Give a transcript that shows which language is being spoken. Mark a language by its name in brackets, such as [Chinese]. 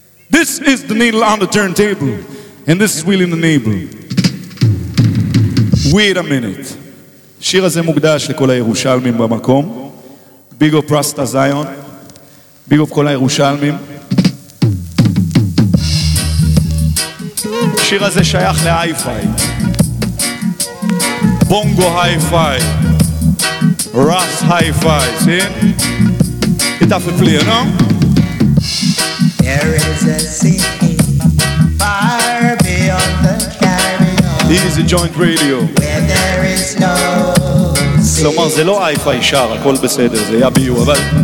[English] This is the needle on the turntable, and this is wheel in the needle. Wait a minute. [Hebrew] השיר הזה מוקדש לכל הירושלמים במקום. [English] Big up Rasta Zion. Big up כל הירושלמים. [Hebrew] השיר הזה שייך להי-פיי. [English] בונגו הי-פיי. רס הי-פיי. See? Get off the player, no? There is a city far beyond the Caribbean. Easy joint radio. Where there is no. [Hebrew] כלומר, זה לא אי-פיי שר, הכל בסדר, זה היה ביו, אבל...